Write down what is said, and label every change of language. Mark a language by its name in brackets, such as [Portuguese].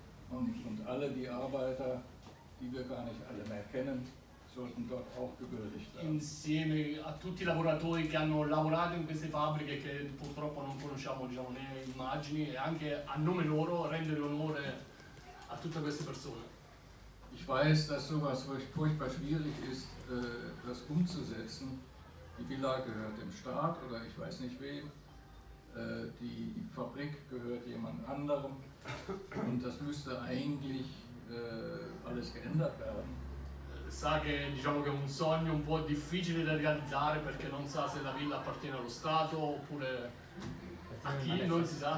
[German] Und alle die Arbeiter, die wir gar nicht alle mehr kennen, sollten dort auch gewürdigt werden. [Italian] Insieme a tutti i lavoratori che hanno lavorato in queste fabbriche, che purtroppo non conosciamo, diciamo, né immagini, e anche a nome loro rendere onore a tutte queste persone. [German] Ich weiß, dass sowas furchtbar schwierig ist, das umzusetzen. Die Villa gehört dem Staat oder ich weiß nicht wem. Die Fabrik gehört jemand anderem. Und das müsste eigentlich alles geändert werden. [Italian] Sa che, diciamo, che è un sogno un po' difficile da realizzare, perché non sa se la villa appartiene allo Stato oppure a chi, non si sa.